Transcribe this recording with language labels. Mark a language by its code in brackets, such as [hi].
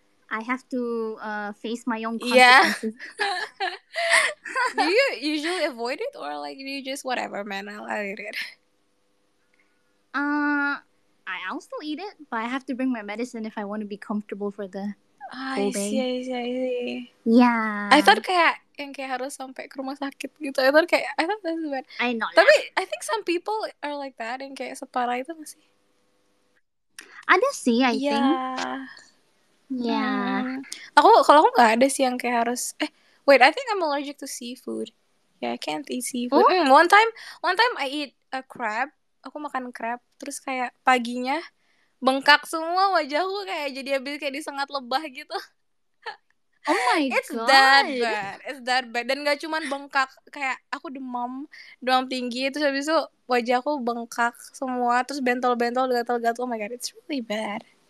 [en] I have to face my own consequences. Yeah. Do you usually avoid it or like do you just whatever, man, I'll eat it? I'll still eat it, but I have to bring my medicine if I want to be comfortable for the I see. Yeah. I thought [id] kayak yang kayak harus sampai ke rumah sakit gitu. [en] I thought that's bad. I know. [id] Tapi [en] yeah. I think some people are like that and [id] kayak separah itu masih. Ada sih, [en] I think. Yeah. [id] Aku nggak ada sih yang kayak harus. [en] Wait, I think I'm allergic to seafood. Yeah, I can't eat seafood. One time I eat a crab. [id] Aku makan crab terus kayak paginya bengkak semua wajahku, kayak jadi habis kayak disengat lebah gitu. [en] Oh my god. It's that bad. [id] Dan gak cuman bengkak, kayak aku demam tinggi, terus habis itu wajahku bengkak semua, terus bentol-bentol, gatal-gatal. [en] Oh my god, it's really bad.